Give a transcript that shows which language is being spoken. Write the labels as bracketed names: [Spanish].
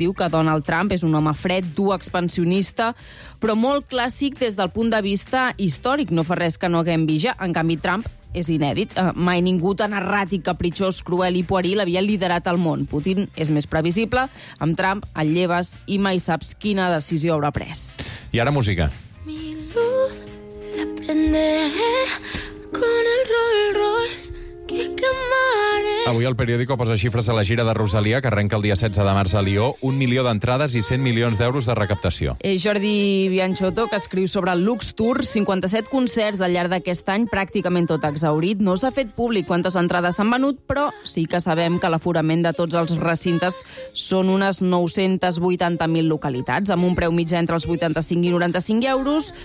[Catalan] Diu que Donald Trump és un home fred, dur, expansionista, però molt clàssic des del punt de vista històric. No fa res que no haguem vist ja. En canvi, Trump és inèdit. Mai ningú tan erràtic, capritxós, cruel i pueril havia liderat el món. Putin és més previsible, amb Trump el lleves i mai saps quina decisió haurà pres. I ara música. [Spanish] Mi luz la prenderé con el Rolls Royce. [Catalan] Avui el periòdico posa xifres a la gira de Rosalia, que arrenca el dia 16 de març a Lió, 1 milió d'entrades i 100 milions d'euros de recaptació. És Jordi Bianchotto, que escriu sobre el Lux Tour. 57 concerts al llarg d'aquest any, pràcticament tot exhaurit. No s'ha fet públic quantes entrades s'han venut, però sí que sabem que l'aforament de tots els recintes són unes 980.000 localitats, amb un preu mitjà entre els 85 i 95 euros.